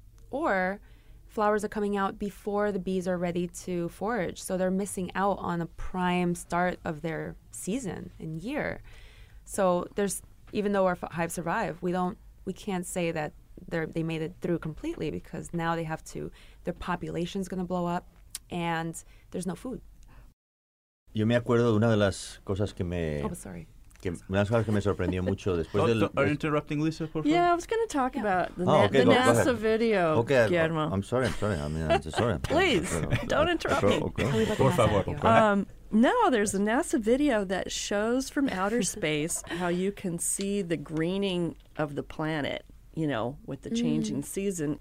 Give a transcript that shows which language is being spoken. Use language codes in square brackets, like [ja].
[en] Or flowers are coming out before the bees are ready to forage, so they're missing out on a prime start of their season and year. So there's, even though our hives survive, we can't say that they made it through completely, because now they have to, their population's going to blow up and there's no food. [es] Yo me acuerdo de una de las cosas que me... [en] Oh, sorry. [es] Una cosa que me sorprendió mucho después del... [en] Are you interrupting Lisa, [es] por favor? [en] Yeah, I was going to talk about the NASA video, okay, Guillermo. I'm sorry. Please, don't interrupt me. Okay. [es] Por favor. [en] No, there's a NASA video that shows from outer space how you can see the greening of the planet, you know, with the changing season.